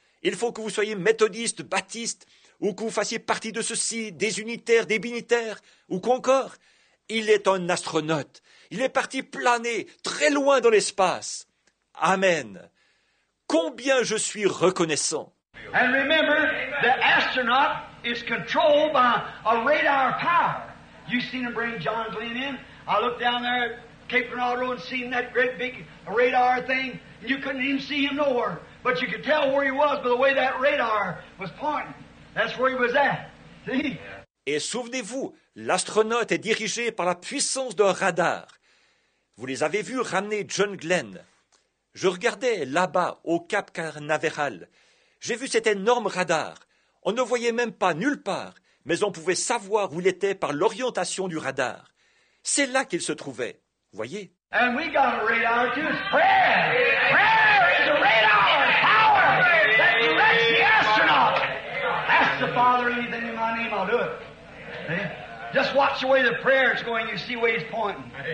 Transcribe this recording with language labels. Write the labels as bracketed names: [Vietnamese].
[French] Il faut que vous soyez méthodiste, baptiste, ou que vous fassiez partie de ceci, des unitaires, des binitaires, ou qu'encore. Il est un astronaute. Il est parti planer très loin dans l'espace. Amen. Combien je suis reconnaissant. [English] And remember, the astronaut is controlled by a radar power. You seen them bring John Glenn in? I looked down there at Cape Canaveral and seen that great big radar thing. And you couldn't even see him nowhere. But you could tell where he was by the way that radar was pointing. That's where he was at. See? [French] Et souvenez-vous, l'astronaute est dirigé par la puissance d'un radar. Vous les avez vus ramener John Glenn. Je regardais là-bas, au Cap Canaveral. J'ai vu cet énorme radar. On ne voyait même pas nulle part, mais on pouvait savoir où il était par l'orientation du radar. C'est là qu'il se trouvait. Voyez. [English] And we got a radar too. Prayer is a radar power that directs the astronaut. Ask the Father anything in my name, I'll do it. Just watch the way the prayer is going, you see where he's pointing.